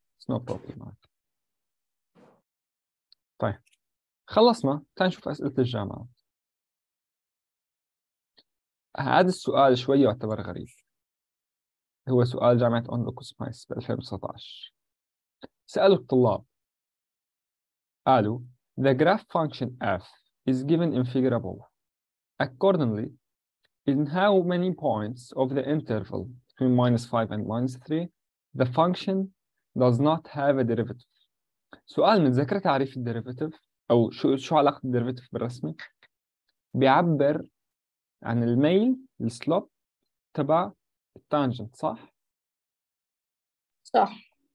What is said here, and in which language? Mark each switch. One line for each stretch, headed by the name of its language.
English: It's no problem.
Arabic: طيب خلصنا، تعال نشوف أسئلة الجامعة. هذا السؤال شوي يعتبر غريب، هو سؤال جامعة أندوكوس مايس ب 2019. سألوا الطلاب، قالوا
English: the graph function f is given in figure above. Accordingly, in how many points of the interval between minus 5 and minus 3, the function does not have a derivative.
Arabic: سؤال، متذكر تعريف الديريفيتيف أو شو علاقة الديريفيتيف بالرسمي؟ بيعبر عن الميل السلوب تبع التانجنت، صح؟ صح.